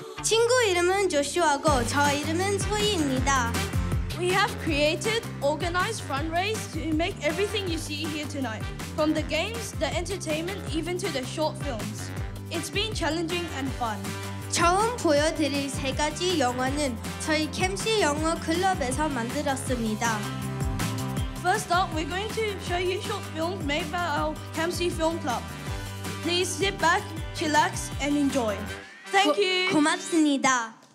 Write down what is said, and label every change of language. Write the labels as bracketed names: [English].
[Korean] 친구 이름은 조슈아고 저 이름은 소희입니다. [English] We have created organized fundraisers to make everything you see here tonight, from the games, the entertainment, even to the short films. It's been challenging and fun. [Korean] 처음 보여드릴 세 가지 영화는 저희 캠시 영어 클럽에서 만들었습니다. [English] First up, we're going to show you short films made by our Campsie Film Club. Please sit back, chillax, and enjoy. Thank you. [Korean] 고맙습니다.